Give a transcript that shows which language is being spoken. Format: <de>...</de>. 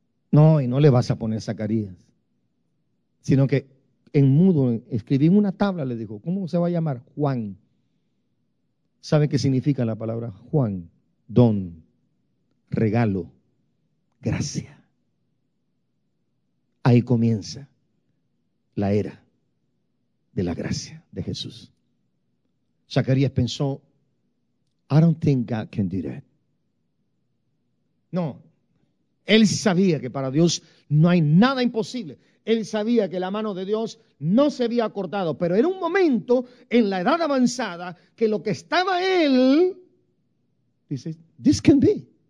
<es>No, y no le vas a poner Zacarías, sino que en mudo escribí en una tabla, le dijo, ¿cómo se va a llamar? Juan. ¿Sabe qué significa la palabra Juan? Don, regalo, gracia. Ahí comienza la era de la gracia de Jesús. Zacarías pensó,</es> <en>I don't think God can do that.</en> <es>No, él sabía que para Dios no hay nada imposible. Él sabía que la mano de Dios no se había cortado, pero era un momento en la edad avanzada que lo que estaba él, dice,</es> <en>this can be.</en>